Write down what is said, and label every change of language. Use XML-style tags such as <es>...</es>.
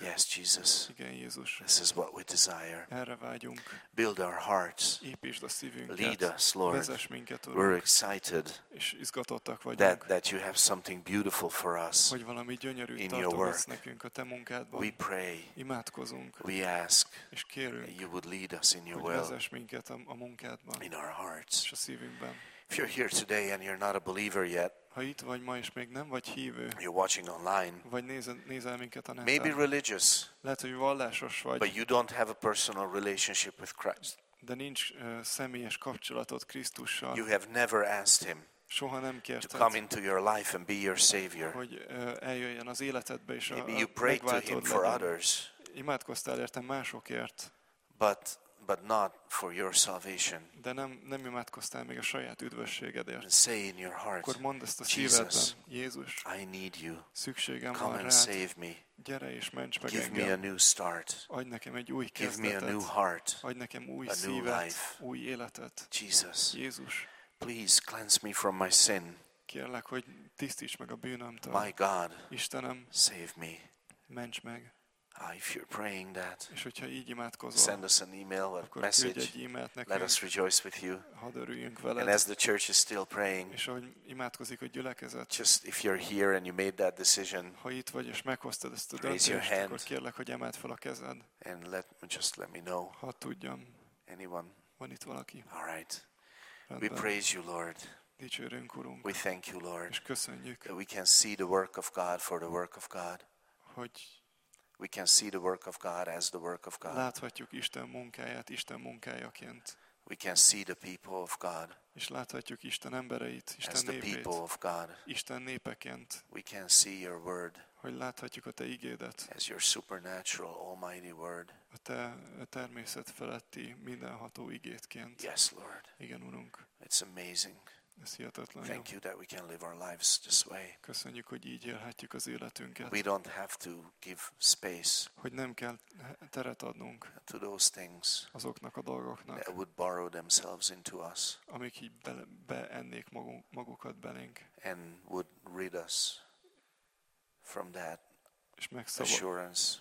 <en>yes, Jesus,</en> <hu>igen, Jézus,</hu> <en>this is what we desire,</en> <hu>erre vágyunk,</hu> <en>build our hearts,</en> <hu>építsd a szívünket,</hu> <en>lead us, Lord,</en> <hu>vezess minket, Urunk,</hu> <en>we're excited,</en> <hu>és izgatottak vagyunk,</hu> <en>that you have something beautiful for us,</en> <hu>hogy valami gyönyörű</hu> <en>in your work, we pray,</en> <hu>imádkozunk,</hu> <en>we ask,</en> <hu>és kérünk,</hu> <en>that you would lead us in your will, in our hearts.</en> <hu>És a szívünkben.</hu> <en>If you're here today and you're not a believer yet,</en> <hu>ha itt vagy ma és még nem vagy hívő,</hu> <en>you're watching online,</en> <hu>vagy nézel minket a neten,</hu> <en>maybe religious,</en> <hu>lehet, hogy vallásos vagy,</hu> <en>but you don't have a personal relationship with Christ.</en> <hu>De nincs személyes kapcsolatod Krisztussal.</hu> <en>You have never asked him,</en> <hu>soha nem kérted,</hu> <en>to come into your life and be your savior.</en> <hu>Hogy eljöjjön az életedbe és</hu> <en>maybe you prayed to him for others.</en> <hu>Imádkoztál értem másokért.</hu> <en>But not for your salvation.</en> <hu>De nem imádkoztál még a saját üdvösségedért.</hu> <en>And say in your heart,</en> <hu>akkor mondd ezt a szívedben, Jézus,</hu> <en>I need you.</en> <hu>Szükségem</hu> <en>come</en> <hu>van</hu> <en>and</en> <hu>rád.</hu> <en>Save me.</en> <hu>Gyere és ments meg</hu> <en>give</en> <hu>engem.</hu> <en>Me a new start.</en> <hu>Adj nekem egy új kezdetet.</hu> <en>Give me a new heart.</en> <hu>Adj nekem új</hu> <en>a</en> <hu>szívet,</hu> <en>new life.</en> <hu>Új életet.</hu> <en>Jesus.</en> <hu>Jézus.</hu> <en>Please cleanse me from my sin.</en> <hu>Kérlek, hogy tisztíts meg a bűnömtől.</hu> <en>My God,</en> <hu>Istenem,</hu> <en>save me.</en> <hu>Ments meg.</hu> <en>If you're praying that,</en> <hu>és hogyha így imádkozol,</hu> <en>send us an email or message.</en> <hu>Küldj egy e-mailt nekünk.</hu> <en>Let us rejoice with you.</en> <hu>Hadd örüljünk veled.</hu> <en>And as the church is still praying,</en> <hu>és ahogy imádkozik a gyülekezet,</hu> <en>just if you're here and you made that decision,</en> <hu>ha itt vagy és meghoztad ezt a döntést, akkor kérlek, hogy emeld fel a kezed.</hu> <en>And let just let me know.</en> <hu>Hadd tudjam.</hu> <en>Anyone?</en> <hu>Van itt valaki?</hu> <en>All right. We praise you, Lord.</en> <hu>Dicsőrünk, Urunk.</hu> <en>We thank you, Lord.</en> <hu>És köszönjük.</hu> <en>That we can see the work of God for the work of God.</en> <hu>Hogy</hu> <en>we can see the work of God as the work of God.</en> <hu>Láthatjuk Isten munkáját Isten munkájaként.</hu> <en>We can see the people of God.</en> <hu>És láthatjuk Isten embereit Isten népét.</hu> <en>As the people of God.</en> <hu>Isten népeként.</hu> <en>We can see your word.</en> <hu>Hogy láthatjuk a te igédet.</hu> <en>As your supernatural almighty word.</en> <hu>A te természet feletti mindenható igétként.</hu> <en>Yes, Lord.</en> <hu>Igen, Urunk.</hu> <en>It's amazing.</en> <hu>Ez hihetetlen.</hu> <en>Thank you that we can live our lives this way.</en> <hu>Köszönjük, hogy így élhetjük az életünket.</hu> <en>We don't have to give space.</en> <hu>Hogy nem kell teret adnunk.</hu> <en>To those things.</en> <hu>Azoknak a dolgoknak.</hu> <en>That would borrow themselves into us.</en> <hu>Amik így beennék magukat belénk.</hu> <en>And would rid us from that assurance.</en>